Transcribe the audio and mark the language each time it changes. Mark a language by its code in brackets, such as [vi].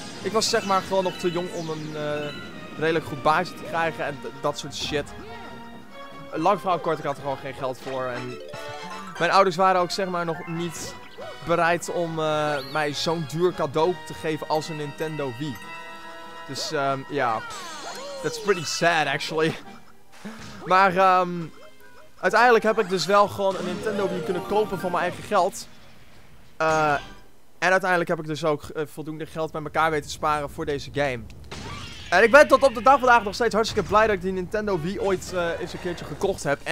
[nl] Ik was zeg maar gewoon nog te jong om een redelijk goed baantje te krijgen en dat soort shit. Lang verhaal kort, ik had er gewoon geen geld voor. En mijn ouders waren ook zeg maar nog niet bereid om mij zo'n duur cadeau te geven als een Nintendo Wii. Dus ja, [en] that's pretty sad actually. [nl] Maar uiteindelijk heb ik dus wel gewoon een Nintendo Wii kunnen kopen van mijn eigen geld. En uiteindelijk heb ik dus ook voldoende geld bij elkaar weten te sparen voor deze game. En ik ben tot op de dag vandaag nog steeds hartstikke blij dat ik die Nintendo Wii ooit eens een keertje gekocht heb.